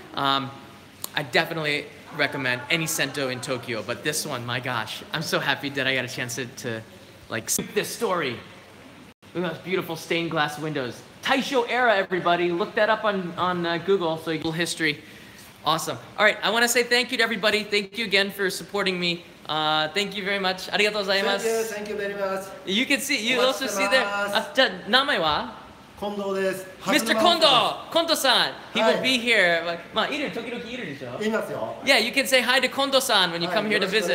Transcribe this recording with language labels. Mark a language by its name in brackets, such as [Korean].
[English] I definitely recommend any sento in Tokyo, but this one, my gosh, I'm so happy that I got a chance to like sleep this story. Look at those beautiful stained glass windows. Taisho era, everybody. Look that up on Google so you get a little history. Awesome. All right, I want to say thank you to everybody. Thank you again for supporting me Thank you very much. [Japanese] ありがとうございます。 [English] Thank you very much. You can see, you also see there. [Japanese] じゃあ、名前は？近藤です。 [English] Mr. 近藤、近藤さん。He will be here. [Japanese] まあ、いる、時々いるでしょ？いますよ。 [English] Yeah, you can say hi to 近藤さん when you come here to visit.